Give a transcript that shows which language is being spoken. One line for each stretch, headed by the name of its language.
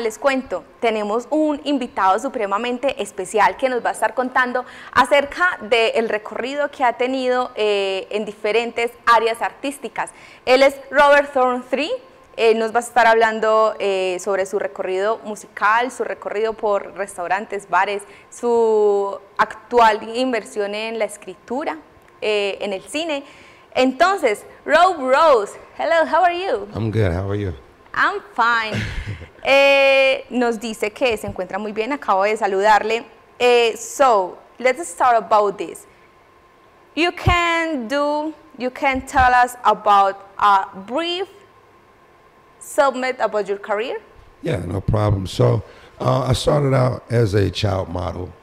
Spanish: Les cuento, tenemos un invitado supremamente especial que nos va a estar contando acerca del recorrido que ha tenido en diferentes áreas artísticas. Él es Robert Thorne III. Nos va a estar hablando sobre su recorrido musical, su recorrido por restaurantes, bares, su actual inversión en la escritura, en el cine.
English: Entonces, Rob Rose, hello, how are you? I'm good, how are you? I'm fine.
Spanish: Nos dice que se encuentra muy bien, acabo de saludarle.
English: So, let's start about this. You can tell us about a brief summit about your career? Yeah, no problem. So, I started out as a child model.